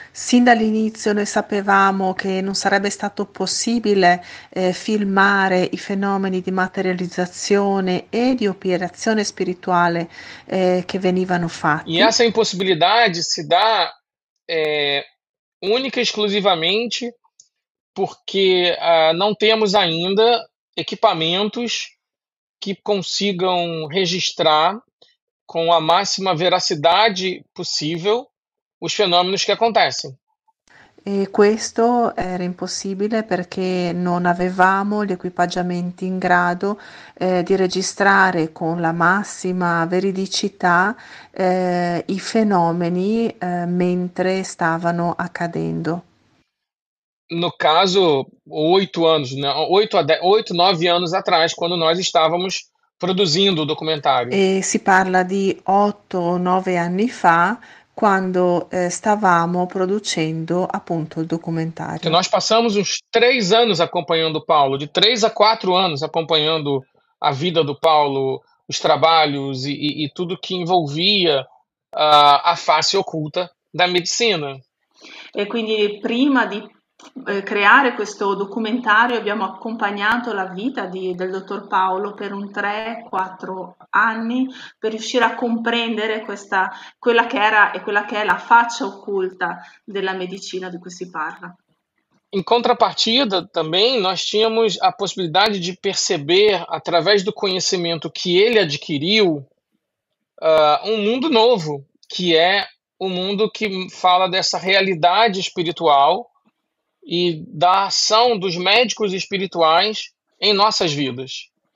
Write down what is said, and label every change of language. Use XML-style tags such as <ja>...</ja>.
<it>Sin dall'inizio noi sapevamo che non sarebbe stato possibile filmare i fenomeni di materializzazione e di operazione spirituale che venivano</it> <pt>E</pt> <it>fatti.</it> <pt>essa impossibilidade se dà única e exclusivamente porque não temos ainda equipamentos que consigam registrar com a máxima veracidade possível os fenômenos que acontecem.</pt> <it>E questo era impossibile perché non avevamo gli equipaggiamenti in grado, di registrare con la massima veridicità, i fenomeni, mentre stavano accadendo.</it> <pt>No caso, 8 anos, né? 8, 9 anos atrás, quando nós estávamos produzindo o documentário.</pt> <it>E si parla di 8 o 9 anni fa. Quando stavamo producendo appunto il</it> <pt>Que</pt> <it>documentario.</it> <pt>nós passamos uns 3 anos acompanhando o Paulo, de 3 a 4 anos acompanhando a vida do Paulo, os trabalhos e tudo que envolvia a face oculta da medicina.</pt> <it>E quindi prima di creare questo documentario, abbiamo accompagnato la vita del dottor Paolo per un 3-4 anni per riuscire a comprendere quella che era e quella che è la faccia occulta della medicina di cui si parla.</it> <pt>Em contrapartida, também nós tínhamos a possibilidade de perceber, através do conhecimento que ele adquiriu, um mundo novo, que é o mundo que fala dessa realidade espiritual e da ação dos médicos espirituais em nossas vidas.</pt>